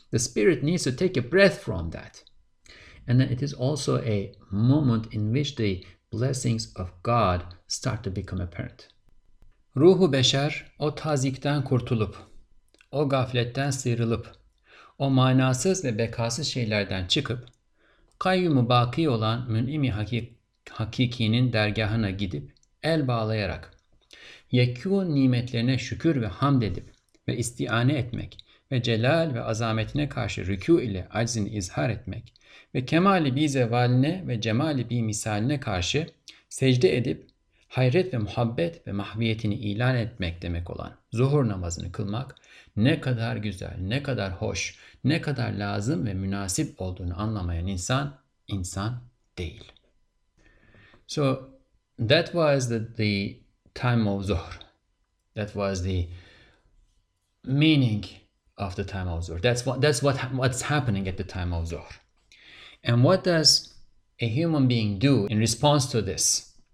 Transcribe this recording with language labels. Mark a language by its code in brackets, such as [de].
[en] The spirit needs to take a breath from that. And then it is also a moment in which the blessings of God start to become apparent. [tr] Ruhu beşer o tazikten kurtulup, o gafletten sıyrılıp, o manasız ve bekasız şeylerden çıkıp, kayyumu baki olan mün'imi hakikinin dergahına gidip, el bağlayarak, yekûn nimetlerine şükür ve hamd edip ve istiane etmek ve celal ve azametine karşı rükû ile aczini izhar etmek ve kemali bi zevaline ve cemali bi misaline karşı secde edip hayret ve muhabbet ve mahviyetini ilan etmek demek olan zuhur namazını kılmak ne kadar güzel, ne kadar hoş, ne kadar lazım ve münasip olduğunu anlamayan insan, insan değil. [en] So that was the time of zuhr. That was the meaning of the time of zuhr. That's what's happening at the time of zuhr. And what does a human being do in response to this?